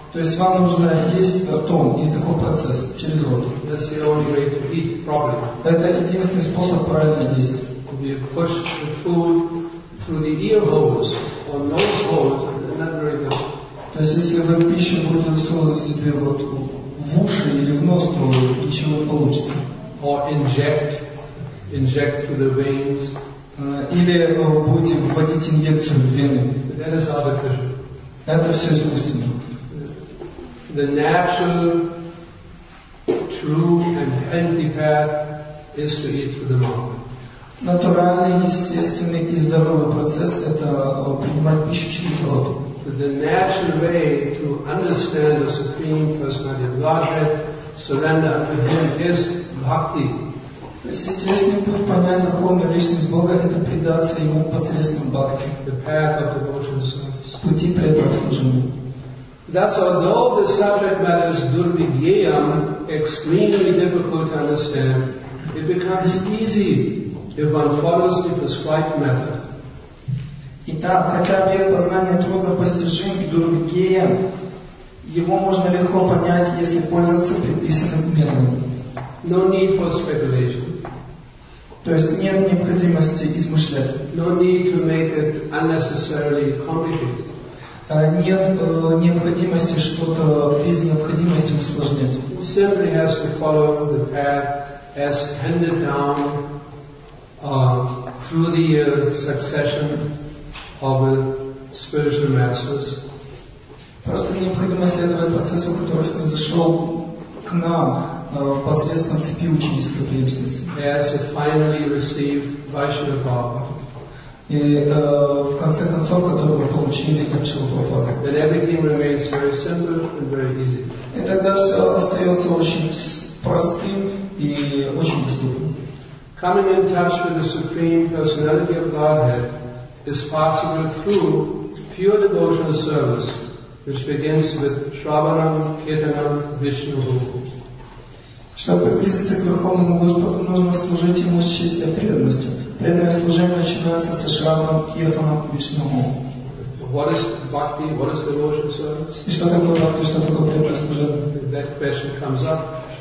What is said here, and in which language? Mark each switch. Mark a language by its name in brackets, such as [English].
[Russian] То есть вам нужно есть ртом, и такой процесс через рот. [English] That's the only way to eat properly. [Russian] Это единственный способ правильно действовать. [English] You push the food through the ear holes or nose holes, and it's not very good. [Russian] То есть если вы пищу будете всовывать себе вот в уши или в нос, то ничего не получится. [English] Or inject through the veins. [Russian] Или будете вводить инъекцию в вены. [English] That is artificial. [Russian] Это все искусственно. [English] The natural, true, and healthy path is to eat through the mouth. [Russian] Натуральный, естественный и здоровый процесс — это принимать пищу через рот. [English] But the natural way to understand the Supreme Personality of Godhead, surrender unto Him, is bhakti. [Russian] То есть естественный путь понять верховную личность Бога — это предаться Ему посредством бхакти. [English] The path of devotional service. [Russian] Пути преданного служения. [English] Thus, although the subject matter is durvigyeyam, extremely difficult to understand, it becomes easy if one follows the prescribed method. [Russian] Итак, хотя объект познания трудно постижим и дурвигьеям, его можно легко понять, если пользоваться предписанным методом. [English] No need for speculation. [Russian] То есть нет необходимости измышлять. [English] No need to make it unnecessarily complicated. [Russian] Нет необходимости что-то без необходимости усложнять. [English] Simply has to follow the path as handed down through the succession of spiritual masters. [Russian] Просто необходимо следовать процессу, который произошел к нам посредством цепи ученической преемственности. [English] As it finally received Vaishnava Prabhupada. [Russian] И в конце концов, которую мы получили от Шилпрабхады. [English] And everything remains very simple and very easy. [Russian] И тогда все остается очень простым и очень доступным. [English] Coming in touch with the Supreme Personality of Godhead is possible through pure devotional service, which begins with Shravanam, Kirtanam, Vishnu Rupam. [Russian] Чтобы приблизиться к Верховному Господу, нужно служить Ему с чистой преданностью. Преданное служение начинается со Шравана, Киртана, Вишну. [English] What is bhakti? What is devotional service? [Russian] И что такое бхакти? Что такое преданное служение? [English] That question comes up.